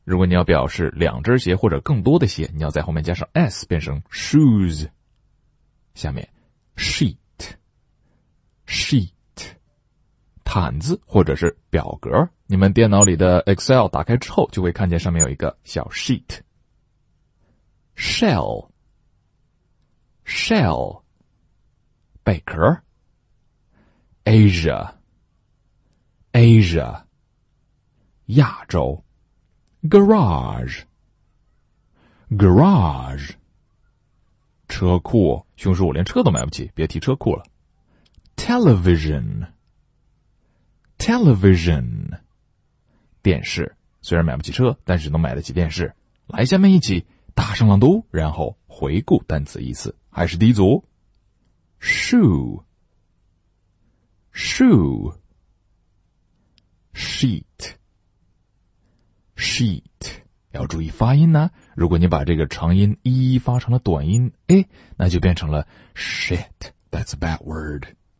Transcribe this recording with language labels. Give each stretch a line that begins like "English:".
Chinese: 如果你要表示两只鞋或者更多的鞋，你要在后面加上 S, 变成 shoes.
English: 下面 sheet. Sheet.
Chinese: 毯子或者是表格，你们电脑里的 Excel 打开之后就会看见上面有一个小 sheet。
English: shell shell 贝壳。 Asia Asia 亚洲。 Garage Garage 车库。
Chinese: 熊叔，我连车都买不起，别提车库了。TelevisionTelevision 电视，虽然买不起车，但是能买得起电视。来，下面一起大声朗读，然后回顾单词一次。还是第一组 Shoe Shoe Sheet Sheet 要注意发音呢，如果你把这个长音一一发成了短音，诶，那就变成了
English: Shit, that's a bad word.